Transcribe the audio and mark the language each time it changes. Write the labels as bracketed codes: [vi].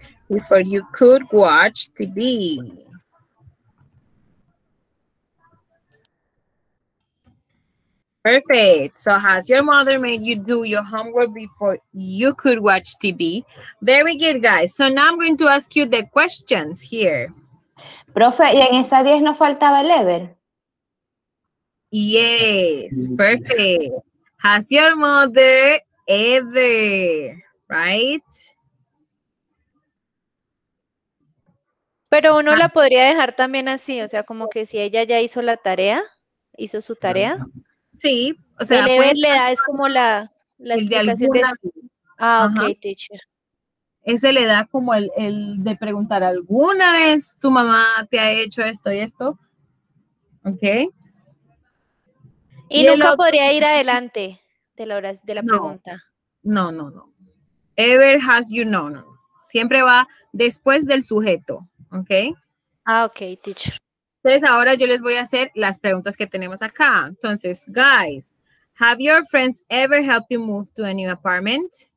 [en] Before you could watch TV. Perfect. So has your mother made you do your homework before you could watch TV? Very good, guys. So now I'm going to ask you the questions here. [es] Profe, ¿y en esa 10 no faltaba el ever? [en] Yes, perfect. Has your mother ever, right? [es] Pero uno la podría dejar también así, o sea, como que si ella ya hizo la tarea, hizo su tarea. Sí, o sea, el ever le da, es como la explicación de... [en] Ah, ok, teacher. [es] Ese le da como el de preguntar, ¿alguna vez tu mamá te ha hecho esto y esto? Ok. Y nunca podría ir adelante de la pregunta. No. [en] Ever has you, [es] no. Siempre va después del sujeto. ¿Ok? [en] Ah, ok, teacher. [es] Entonces, ahora yo les voy a hacer las preguntas que tenemos acá. [en] Entonces, guys, have your friends ever helped you move to a new apartment?